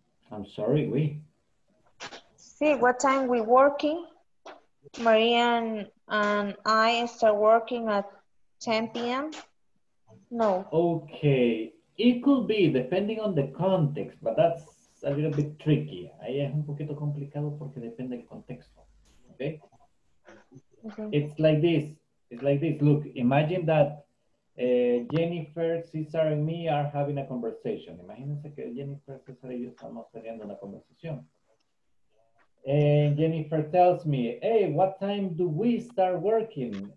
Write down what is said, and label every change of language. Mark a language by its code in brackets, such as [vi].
[en] I'm sorry, we. See, what time we working? Maria and I start working at 10 p.m.? No. Okay. It could be, depending on the context, but that's a little bit tricky. [es] Ahí es un poquito complicado porque depende del contexto. [en] Okay? It's like this. It's like this. Look, imagine that Jennifer, Cesar, and me are having a conversation. [es] Imagínense que Jennifer, Cesar, y yo estamos teniendo una conversación. [en] And Jennifer tells me, hey, what time do we start working?